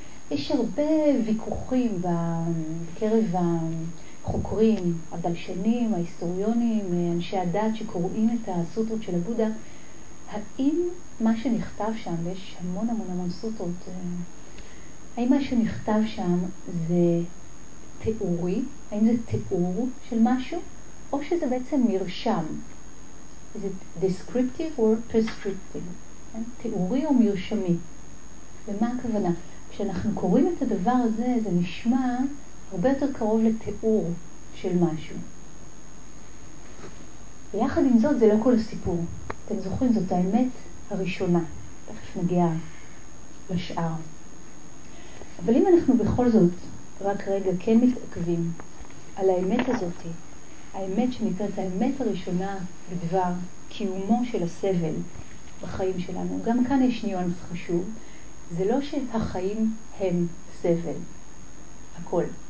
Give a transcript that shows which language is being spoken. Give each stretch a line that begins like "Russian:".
Hebrew: יש הרבה ויכוחים בקרב החוקרים, הבלשנים, ההיסטוריונים, אנשי הדת שקוראים את הסוטרות של הבודה, האם מה שנכתב שם, ויש המון המון המון סוטרות, האם מה שנכתב שם זה תיאורי, האם זה תיאור של משהו, או שזה בעצם מרשם?
English: Is it descriptive or prescriptive?
Hebrew: תיאורי או מרשמי? ומה הכוונה? כשאנחנו קוראים את הדבר הזה, זה נשמע הרבה יותר קרוב לתיאור של משהו. ויחד עם זאת, זה לא כל הסיפור. אתם זוכרים, זאת האמת הראשונה. תכף נגיע לשאר. אבל אם אנחנו בכל זאת, רק רגע, כן מתעכבים על האמת הזאת, האמת שנקראת האמת הראשונה בדבר קיומו של הסבל בחיים שלנו, גם כאן יש ניואנס חשוב, זה לא שהחיים הם סבל. הכל.